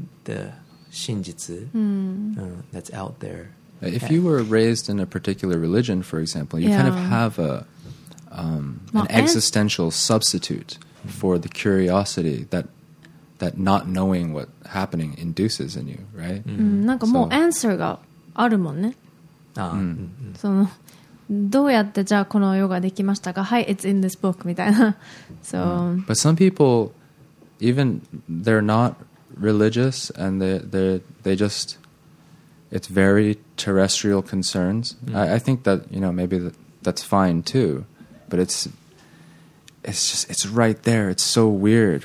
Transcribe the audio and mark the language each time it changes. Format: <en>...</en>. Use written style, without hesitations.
<en>the 真実、mm. That's out there. If、yeah. you were raised in a particular religion, for example, you、yeah. kind of have aan existential substitute for the curiosity that not knowing what happening induces in you, right?</en> <ja>Mm-hmm. なんかもう answer があるもんね。ああ、mm-hmm. そのどうやってじゃあこの世ができましたか？</ja> <en>はい、it's in this book</en> <ja>みたいな。</ja> <en>So, mm-hmm. But some people, even they're not religious and they just, it's very terrestrial concerns.、Mm-hmm. I think that, you know, maybe that's fine too. But it's right there. It's so weird.</en>